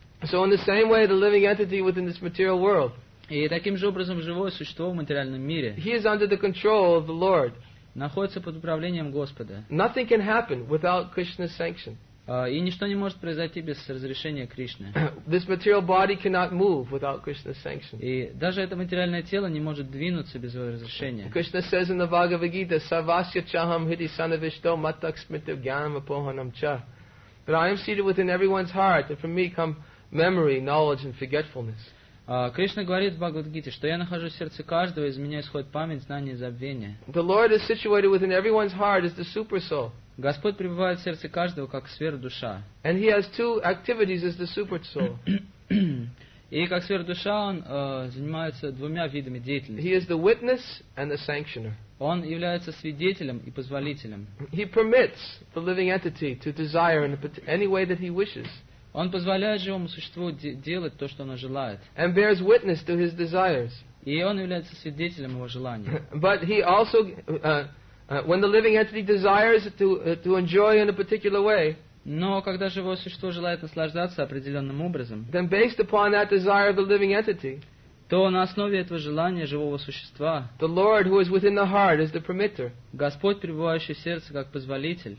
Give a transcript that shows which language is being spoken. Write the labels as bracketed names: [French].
[English] So in the same way, the living entity within this material world. [Russian] И таким же образом живое существо в материальном мире. [English] He is under the control of the Lord. [Russian] Находится под управлением Господа. [English] Nothing can happen without Krishna's sanction. [Russian] И ничто не может произойти без разрешения Кришны. [English] This material body cannot move without Krishna's sanction. [Russian] И даже это материальное тело не может двинуться без его разрешения. [English] Krishna says in the Bhagavad Gita, [Sanskrit] "Savasya chaham hiti sanavishto matak smitav gyanam apohanam cha." [English] But I am seated within everyone's heart, and from me come memory, knowledge, and forgetfulness. [Russian] Кришна говорит в Бхагавад-гите, что я нахожусь в сердце каждого, из меня исходит память, знание и забвение. [English] The Lord is situated within everyone's heart as the super soul. [Russian] Господь пребывает в сердце каждого как сверхдуша. [English] And he has two activities as the super soul. [Russian] И как сверхдуша он занимается двумя видами деятельности. [English] He is the witness and the sanctioner. [Russian] Он является свидетелем и позволителем. [English] He permits the living entity to desire in any way that he wishes. [Russian] Он позволяет живому существу делать то, что оно желает. [English] And bears witness to his desires. [Russian] И он является свидетелем его желания. [English] But he also, when the living entity desires to enjoy in a particular way, [Russian] но когда живое существо желает наслаждаться определенным образом, [English] then based upon that desire of the living entity, [Russian] то на основе этого желания живого существа, [English] the Lord who is within the heart is the permitter, [Russian] Господь, пребывающий в сердце как позволитель,